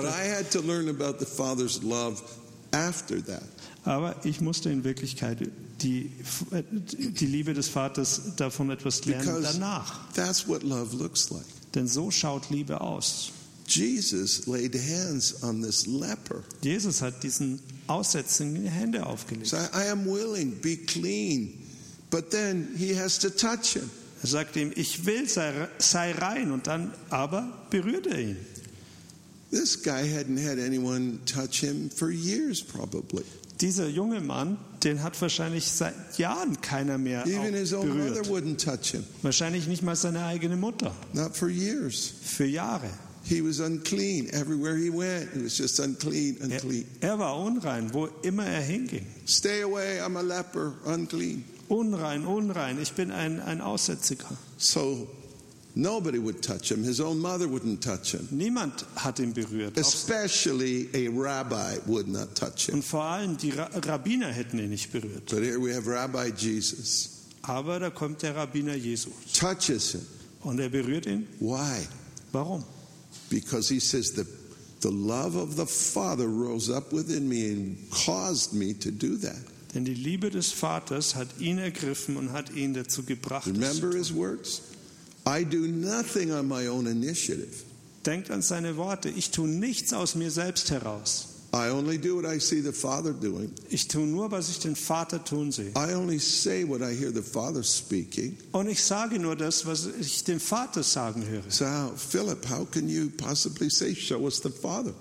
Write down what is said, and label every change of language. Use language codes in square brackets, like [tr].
[en] But I had to learn about the Father's love after that. [de] Aber ich musste in Wirklichkeit die Liebe des Vaters davon etwas lernen danach. [en] That's what love looks like. [de] Denn so schaut Liebe aus. [en] Jesus laid hands on this leper. [de] Jesus hat diesen Aussätzigen die Hände aufgelegt. [en] So, I am willing, be clean. But then he has to touch him. [de] Er sagt ihm, ich will, sei rein. Und dann aber berührt er ihn. [en] This guy hadn't had anyone touch him for years, probably. [de] Dieser junge Mann, den hat wahrscheinlich seit Jahren keiner mehr berührt. [en] Even his own mother wouldn't touch him. [de] Wahrscheinlich nicht mal seine eigene Mutter. [en] Not for years. [de] Für Jahre. [en] He was unclean everywhere he went. It was just unclean, unclean. [de] Er war unrein, wo immer er hinging. [en] Stay away, I'm a leper, unclean. [de] Unrein, unrein, ich bin ein Aussätziger. [en] So nobody would touch him. His own mother wouldn't touch him. [de] Niemand hat ihn berührt. [en] Especially a rabbi would not touch him. [de] Und vor allem die Rabbiner hätten ihn nicht berührt. [en] But here we have Rabbi Jesus. [de] Aber da kommt der Rabbiner Jesus. [en] Touches him. [de] Und er berührt ihn. [en] Why? [de] Warum? [en] Because he says the love of the Father rose up within me and caused me to do that. [de] Denn die Liebe des Vaters hat ihn ergriffen und hat ihn dazu gebracht. [en] Remember his words. I do nothing on my own initiative. [de] Denkt an seine Worte. Ich tue nichts aus mir selbst heraus. [en] I only do what I see the Father doing. [de] Ich tue nur, was ich den Vater tun sehe. [en] I only say what I hear the Father speaking. [de] Und ich sage nur das, was ich dem Vater sagen höre. [en] So, Philip, how can you possibly say, show us the Father?